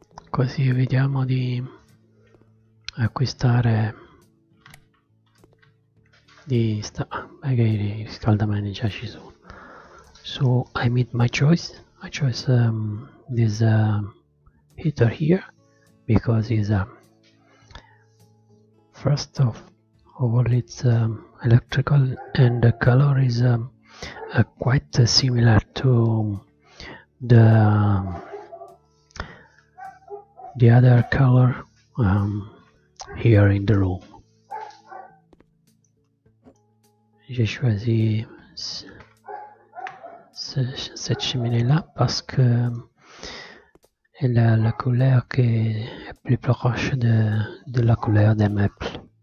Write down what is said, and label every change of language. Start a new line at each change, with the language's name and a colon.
Italian: Così vediamo di acquistare di sta, magari i riscaldamenti già ci sono.
English: So I made my choice. I chose this heater here because it's a first of all, it's electrical and the color is quite similar to the other color here in the room.
French: J'ai choisi cette cheminée-là parce que elle a la couleur qui est plus proche de la couleur des meubles.